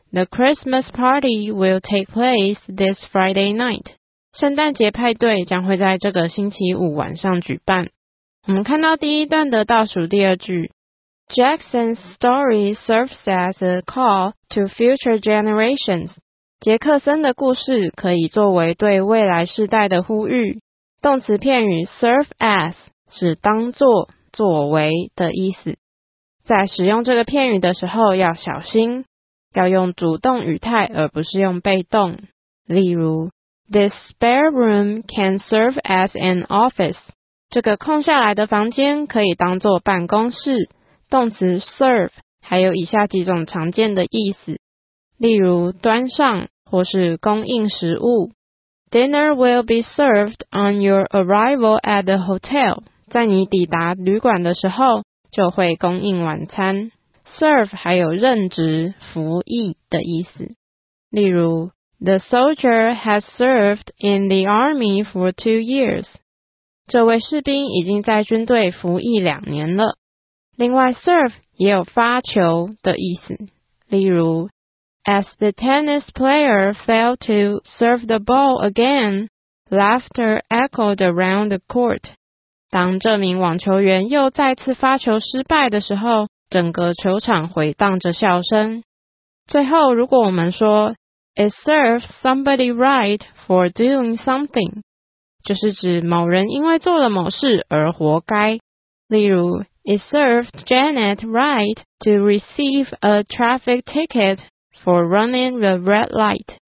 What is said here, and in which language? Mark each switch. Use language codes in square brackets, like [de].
[en] The Christmas party will take place this Friday night. [zh] 圣诞节派对将会在这个星期五晚上举办。我们看到第一段的倒数第二句。 [en] Jackson's story serves as a call to future generations. [zh] 杰克森的故事可以作为对未来世代的呼吁。动词片语 serve as 是当作、作为的意思。在使用这个片语的时候要小心，要用主动语态而不是用被动。 [en] 例如 This spare room can serve as an office. [zh] 这个空下来的房间可以当作办公室。动词 serve 还有以下几种常见的意思，例如端上或是供应食物。 [en] Dinner will be served on your arrival at the hotel. [zh] 在你抵达旅馆的时候就会供应晚餐。 [en] serve [zh] 还有任职、服役的意思，例如 [en] The soldier has served in the army for 2 years. [zh] 这位士兵已经在军队服役两年了。另外 [en] serve [zh] 也有发球的意思，例如 [en] As the tennis player failed to serve the ball again, laughter echoed around the court. [zh] 当这名网球员又再次发球失败的时候，整个球场回荡着笑声。最后如果我们说 [en] It serves somebody right for doing something, [zh] 就是指某人因为做了某事而活该，例如 [en] It served Janet right to receive a traffic ticket for running the red light.